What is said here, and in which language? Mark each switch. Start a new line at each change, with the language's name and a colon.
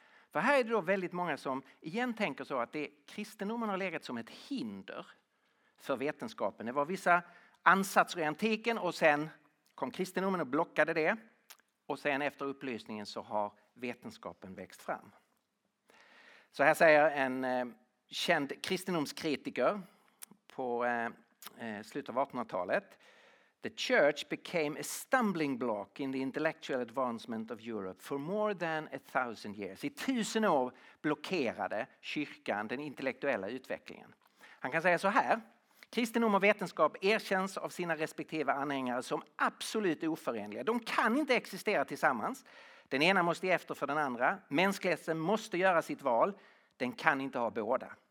Swedish: För här är det då väldigt många som igen tänker så att det kristendomen har legat som ett hinder för vetenskapen. Det var vissa ansatser i antiken och sen kom kristendomen och blockade det. Och sen efter upplysningen så har vetenskapen växt fram. Så här säger en känd kristendomskritiker på slutet av 1800-talet.
English: The church became a stumbling block in the intellectual advancement of Europe for more than 1,000 years.
Swedish: I 1,000 år blockerade kyrkan den intellektuella utvecklingen. Han kan säga så här. Kristendom och vetenskap erkänns av sina respektive anhängare som absolut oförenliga. De kan inte existera tillsammans. Den ena måste ge efter för den andra. Mänskligheten måste göra sitt val. Den kan inte ha båda.